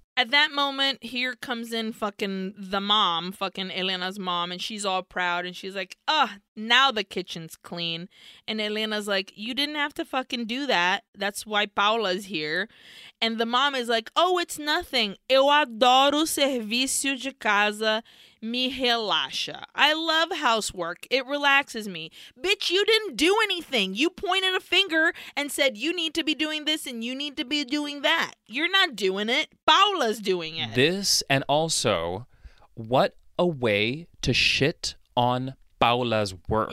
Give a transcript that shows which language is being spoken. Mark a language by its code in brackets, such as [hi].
[en] At that moment, here comes in fucking the mom, fucking Elena's mom. And she's all proud. And she's like, ugh. Now the kitchen's clean. And Elena's like, you didn't have to fucking do that. That's why Paula's here. And the mom is like, oh, it's nothing. [pt] Eu adoro serviço de casa, me relaxa. [en] I love housework. It relaxes me. Bitch, you didn't do anything. You pointed a finger and said, you need to be doing this and you need to be doing that. You're not doing it. Paula's doing it. This, and also, what a way to shit on Paula's work.